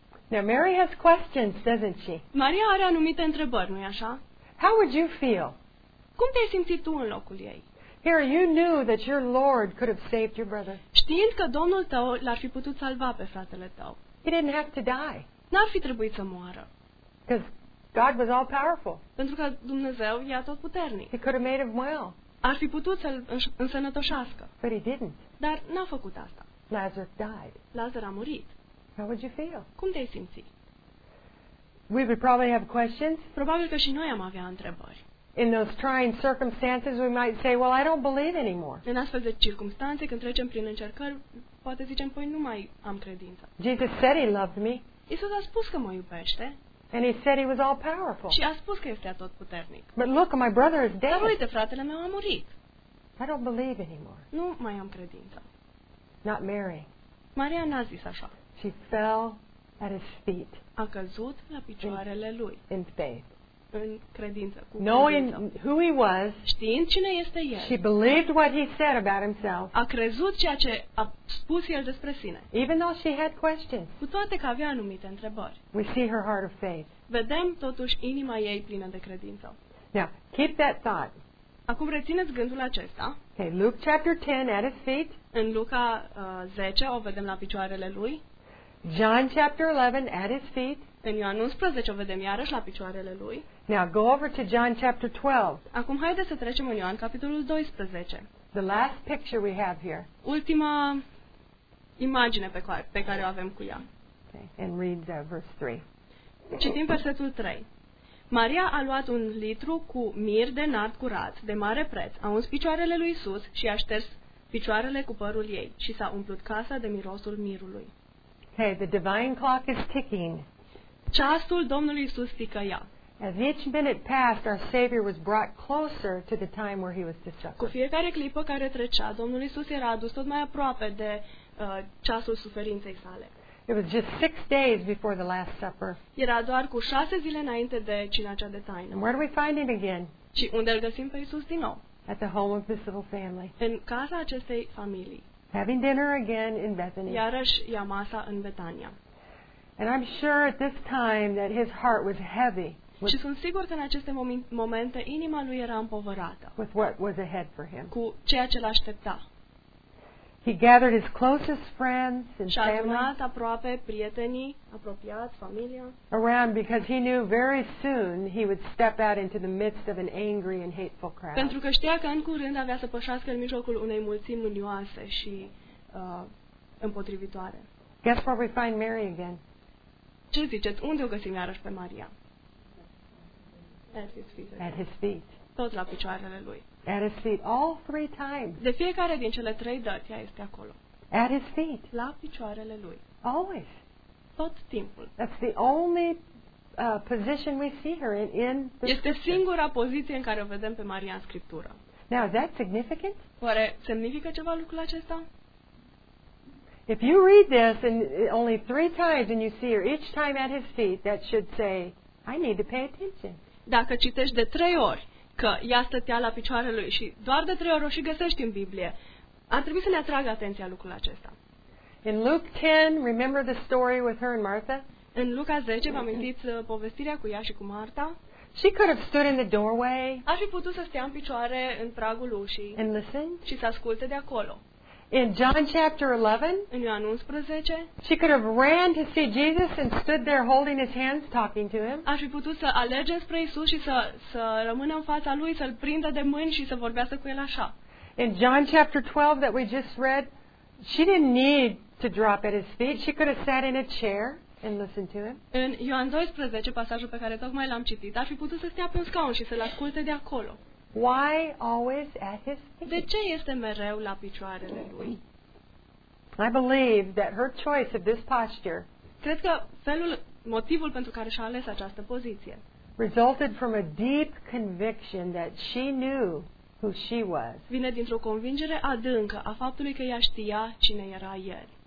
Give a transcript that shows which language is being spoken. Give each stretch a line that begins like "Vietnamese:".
English: Now Mary has questions, doesn't she?
Romanian: Maria are anumite întrebări, nu-i așa?
English: How would you feel?
Romanian: Cum te-ai simțit tu în locul ei?
English: Here you knew that your Lord could have saved your brother.
Romanian: Știind că Domnul tău l-ar fi putut salva pe fratele tău.
English: He didn't have to die.
Romanian: N-ar fi trebuit să moară.
English: Because God was all powerful.
Romanian: Pentru că Dumnezeu e tot puternic.
English: He could have made him well.
Romanian: Ar fi putut să-l însănătoșească.
English: But he didn't.
Romanian: Dar n-a făcut asta.
English: Lazarus died.
Romanian: Lazar a murit.
English: How would you feel?
Romanian: Cum te-ai simți?
English: We would probably have questions.
Romanian: Probabil că și noi am avea întrebări.
English: In those trying circumstances, we might say, well, I don't believe anymore.
Romanian: În astfel de circumstanțe, când trecem prin încercări, poate zicem, păi nu mai am credință.
English: Jesus said he loved me.
Romanian: Iisus a spus că mă iubește.
English: And he said he was all powerful.
Romanian: Și a spus că este atotputernic.
English: But look, my brother is dead.
Romanian: Dar uite, fratele meu a murit.
English: I don't believe anymore.
Romanian: Nu mai am credință.
English: Not Mary.
Romanian: Maria n-a zis așa.
English: She fell at his feet.
Romanian: A căzut la picioarele lui.
English: In faith.
Romanian: În credință, cu
English: knowing
Romanian: credință.
English: Who he was,
Romanian: știind cine este el,
English: she believed what he said about himself.
Romanian: A crezut ceea ce a spus el despre sine.
English: Even though she had questions,
Romanian: cu toate că avea anumite întrebări,
English: we see her heart of faith.
Romanian: Vedem totuși inima ei plină de credință.
English: Now, keep that thought.
Romanian: Acum rețineți gândul acesta.
English: Okay, Luke chapter 10 at his feet.
Romanian: În Luca 10 o vedem la picioarele lui.
English: John chapter 11 at his feet.
Romanian: În Ioan 11 o vedem iarăși la picioarele lui.
English: Now go over to John chapter 12.
Romanian: Acum haideți să trecem în Ioan capitolul 12.
English: The last picture we have here.
Romanian: Ultima imagine pe care o avem cu ea.
English: Okay. And read verse 3.
Romanian: Citim versetul 3. Maria a luat un litru cu mir de nard curat, de mare preț, a uns picioarele lui Iisus și a șters picioarele cu părul ei și s-a umplut casa de mirosul mirului.
English: Hey, the divine clock is ticking.
Romanian: Ceasul Domnului Iisus ticăia.
English: As each minute passed, our Savior was brought closer to the time where he was to suffer.
Romanian: Cu fiecare clipă care trecea, Domnul Iisus era adus tot mai aproape de ceasul suferinței sale.
English: It was just 6 days before the Last Supper.
Romanian: Era doar cu 6 zile înainte de cina cea de taină.
English: And where do we find him again?
Romanian: Și unde îl găsim pe Iisus din nou?
English: At the home of this little family.
Romanian: În casa acestei familii.
English: Having dinner again in Bethany.
Romanian: Iarăși ia masa în Betania.
English: And I'm sure at this time that his heart was heavy.
Romanian: Și sunt sigur că în aceste momente inima lui era împovărată.
English: With what was ahead for him.
Romanian: Cu ceea ce l-aștepta.
English: He gathered his closest friends and family.
Romanian: Și-a adunat aproape prietenii, apropiați, familia.
English: Around because he knew very soon he would step out into the midst of an angry and hateful crowd.
Romanian: Pentru că știa că în curând avea să pășească în mijlocul unei mulțimi mânioase și împotrivitoare.
English: Guess where we find Mary again?
Romanian: Ce ziceți? Unde o găsim iarăși pe Maria?
English: At his feet.
Romanian: Tot la picioarele lui.
English: At his feet, all three times.
Romanian: De fiecare din cele trei dăți, ea este acolo.
English: At his feet.
Romanian: La picioarele lui.
English: Always.
Romanian: Tot timpul.
English: That's the only position we see her in the
Romanian: Este singura poziție în care o vedem pe Maria în Scriptură.
English: Now, is that significant?
Romanian: Oare semnifică ceva lucrul acesta?
English: If you read this and only three times and you see her each time at his feet, that should say, I need to pay attention.
Romanian: Dacă citești de trei ori că ea stătea la picioarele lui și doar de trei ori o și găsești în Biblie, ar trebui să ne atragă atenția lucrul acesta.
English: In Luke 10, remember the story with her and Martha?
Romanian: În Luca 10, vă amintiți povestirea cu ea și cu Marta?
English: She could have stood in the doorway.
Romanian: Ar fi putut să stea în picioare în pragul ușii.
English: And listen.
Romanian: Și să asculte de acolo.
English: In John chapter 11,
Romanian: în Ioan 11,
English: she could have ran to see Jesus and stood there holding his hands, talking to him.
Romanian: Ar fi putut să alerge spre Iisus și să rămână în fața lui, să-l prindă de mâini și să vorbească cu el așa.
English: In John chapter 12 that we just read, she didn't need to drop at his feet. She could have sat in a chair and listened to him.
Romanian: În Ioan 12, pasajul pe care tocmai l-am citit, ar fi putut să stea pe un scaun și să-l asculte de acolo.
English: Why always at his feet?
Romanian: De ce este mereu la picioarele lui?
English: I believe that her choice of this posture,
Romanian: cred că felul, motivul pentru care și-a ales această poziție,
English: resulted from a deep conviction that she knew who she was.
Romanian: Vine dintr-o convingere adâncă a faptului că ea știa cine era el.